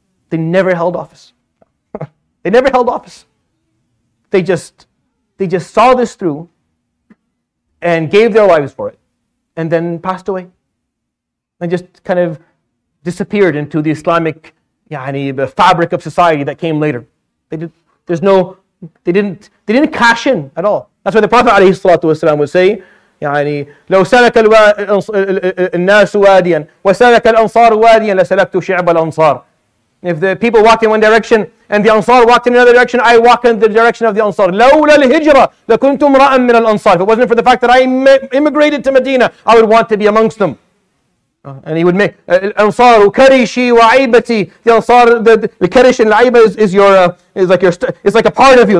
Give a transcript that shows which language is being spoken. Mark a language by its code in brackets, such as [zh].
[en] They never held office. They never held office. They just saw this through and gave their lives for it and then passed away. And just kind of disappeared into the Islamic the fabric of society that came later. They didn't cash in at all. That's why the Prophet [ar] عليه الصلاة والسلام [en] would say, [ar] يعني لو سلك الناس واديا وسلك الأنصار واديا لسلكت شعب الأنصار. [en] If the people walked in one direction and the Ansar walked in another direction, I walk in the direction of the Ansar. [ar] لولا الهجرة لكنت امرأ من الأنصار. [en] If it wasn't for the fact that I immigrated to Medina, I would want to be amongst them. And he would make Ansar [ar] كريشي وعيبتي. [en] The Ansar, the كريش and العيبة is like a part of you.